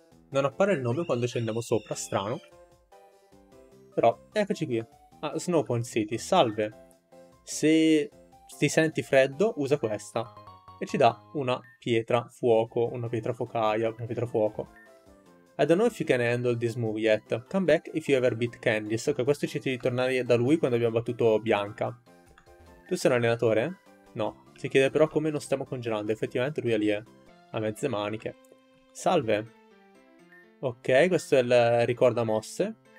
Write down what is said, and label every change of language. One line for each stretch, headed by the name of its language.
Italian: Non appare il nome quando scendiamo sopra, strano. Però, eccoci qui. Ah, Snowpoint City, salve. Se ti senti freddo, usa questa. E ci dà una pietra fuoco, una pietra focaia, una pietra fuoco.
English: I don't know if you can handle this move yet. Come back if you ever beat Candice.
Italian: Ok, questo ci chiede di tornare da lui quando abbiamo battuto Bianca. Tu sei un allenatore? No. Si chiede però come non stiamo congelando. Effettivamente lui è lì, a mezze maniche. Salve. Ok, questo è il ricorda mosse.